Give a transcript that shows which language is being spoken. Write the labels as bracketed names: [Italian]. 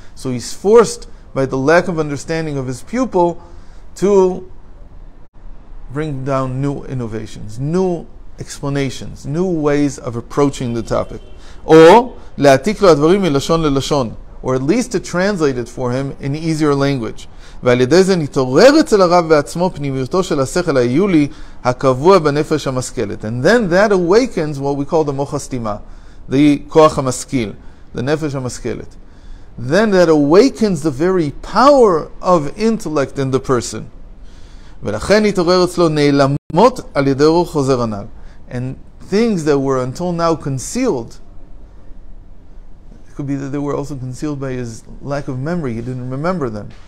[English] So he's forced by the lack of understanding of his pupil to bring down new innovations, new explanations, new ways of approaching the topic. [Hebrew] או להעתיק לו הדברים מלשון ללשון, [English] or at least to translate it for him in easier language. [Hebrew] ועל ידי זה נתעורר אצל הרב בעצמו פנימיותו של השכל היולי הקבוע בנפש המשכלת. [English] And then that awakens what we call the מוח הסתימה, the כוח המשכיל, the נפש המשכלת. Then that awakens the very power of intellect in the person. [Hebrew] ולכן נתעורר אצלו נעלמות על ידי רוח חוזר ענל. [English] And things that were until now concealed, it could be that they were also concealed by his lack of memory, he didn't remember them.